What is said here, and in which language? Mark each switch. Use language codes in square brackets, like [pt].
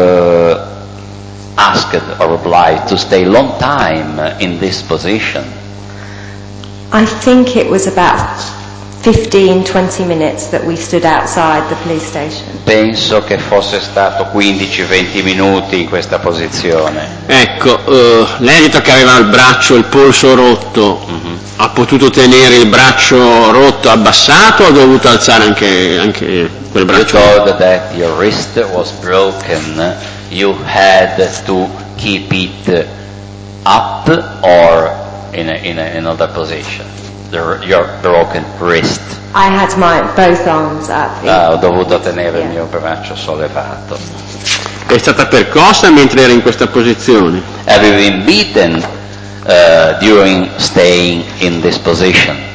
[en] Asked or obliged to stay long time in this position? I think it was about 15-20 minutes that we stood outside the police station. [it] Penso che fosse stato 15-20 minuti in questa posizione. Ecco, lei ha detto che aveva il braccio, il polso rotto. Mm-hmm. Ha potuto tenere il braccio rotto abbassato o ha dovuto alzare anche quel braccio? [en] You told that your wrist was broken. You had to keep it up or in another position. Your broken wrist. I had my both arms up. [it] Ho dovuto tenere il mio braccio sollevato. È stata percossa mentre era in questa posizione. [en] Have you been beaten during staying in this position?